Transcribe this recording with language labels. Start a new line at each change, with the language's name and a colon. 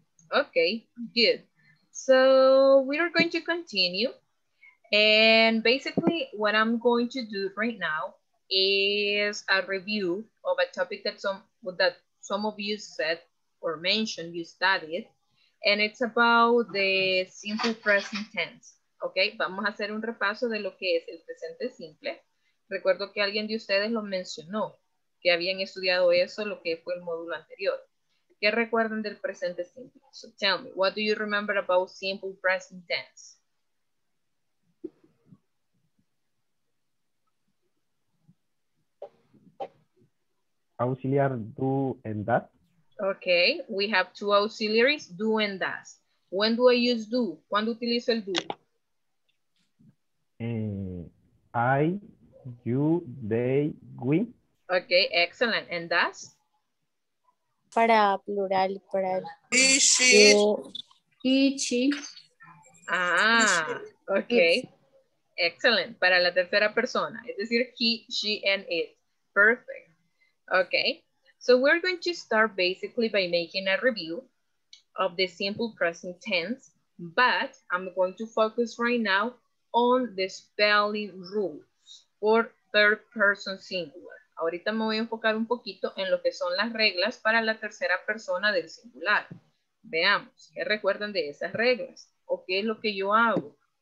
English: Okay, good. So we are going to continue. And basically what I'm going to do right now is a review of a topic that some of you said or mentioned you studied. And it's about the simple present tense, okay?
Spanish: Vamos a hacer un repaso de lo que es el presente simple. Recuerdo que alguien de ustedes lo mencionó, que habían estudiado eso, lo que fue el módulo anterior. ¿Qué recuerdan del presente simple?
English: So tell me, what do you remember about simple present tense? Auxiliar, do, and that. Okay, we have two auxiliaries, do and does. When do I use do? ¿Cuándo utilizo el do? I, you, they, we. Okay, excellent. And does?
Spanish: Para plural, para...
English: He, she. He, she. Ah, okay. It's... Excellent.
Spanish: Para la tercera persona. Es decir, he, she, and it. Perfect. Okay.
English: So we're going to start basically by making a review of the simple present tense, but I'm going to focus right now on the spelling rules for third person singular.
Spanish: Ahorita me voy a enfocar un poquito en lo que son las reglas para la tercera persona del singular. Veamos, ¿qué recuerdan de esas reglas? ¿O qué es lo que yo hago?